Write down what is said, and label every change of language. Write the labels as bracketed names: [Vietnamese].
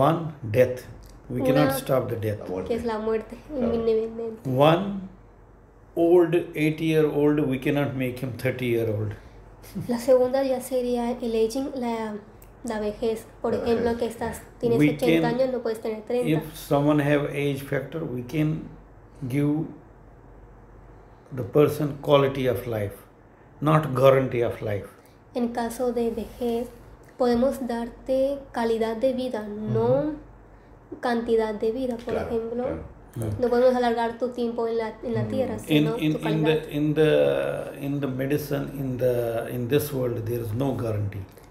[English] One, death. We cannot stop the death. [Spanish] Que es la muerte, inminente. [English] One, old, 80-year-old, we cannot make him 30-year-old. [Spanish] La segunda ya sería el aging, la vejez. Por ejemplo, que estás, tienes 80 años, no puedes tener 30. [English] If someone have age factor, we can give the person quality of life, not guarantee of life. [Spanish] En caso de vejez, podemos darte calidad de vida, no cantidad de vida, por ejemplo. No podemos alargar tu tiempo en la tierra, sino tu calidad. [English] In the medicine, in this world, there is no guarantee.